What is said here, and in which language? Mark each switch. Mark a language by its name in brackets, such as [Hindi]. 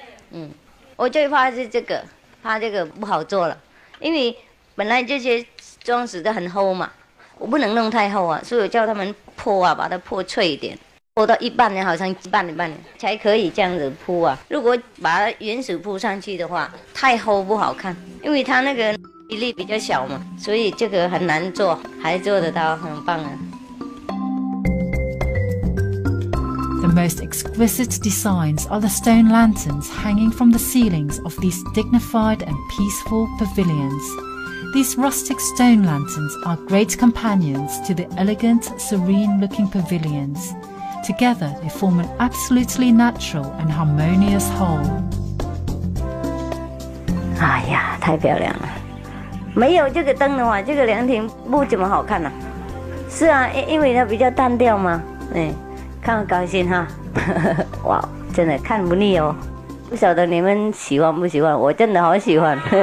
[Chinese] 嗯，我最怕是这个，怕这个不好做了，因为本来这些装饰都很厚嘛，我不能弄太厚啊，所以我叫他们破啊，把它破脆一点，破到一半呢，好像一半才可以这样子铺啊。如果把它原始铺上去的话，太厚不好看，因为它那个比例比较小嘛，所以这个很难做，还做得到，很棒啊。 [English] The most exquisite designs are the stone lanterns hanging from the ceilings of these dignified and peaceful pavilions. These rustic stone lanterns are great companions to the elegant, serene-looking pavilions. Together, they form an absolutely natural and harmonious whole. [Chinese] 哎呀，太漂亮了！没有这个灯的话，这个凉亭不怎么好看呢、啊。是啊，因为它比较单调嘛。哎，看我高兴哈！哇，真的看不腻哦。不晓得你们喜欢不喜欢，我真的好喜欢。